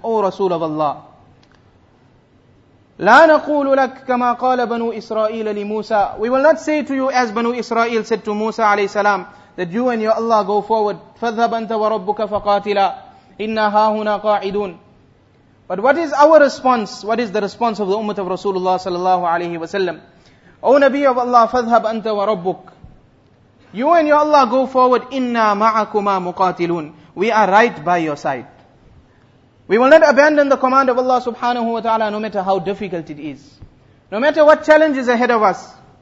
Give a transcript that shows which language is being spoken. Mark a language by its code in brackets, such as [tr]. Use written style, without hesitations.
[en] O Rasul of Allah, [ar] لا نقول لك كما قال بنو إسرائيل لموسى. [en] We will not say to you as Banu Israel said to Musa alayhi salam, that you and your Allah go forward. [ar] فذهب أنت وربك فقاتلا إنا ها هنا قاعدون. [en] But what is our response? What is the response of the ummah of Rasulullah sallallahu alayhi wa sallam? O Nabi of Allah, [ar] فَذْهَبْ أَنْتَ وَرَبُّكَ, [en] you and your Allah go forward. [ar] إِنَّا مَعَكُمَا مُقَاتِلُونَ, [en] we are right by your side. We will not abandon the command of Allah subhanahu wa ta'ala, no matter how difficult it is, no matter what challenge is ahead of us.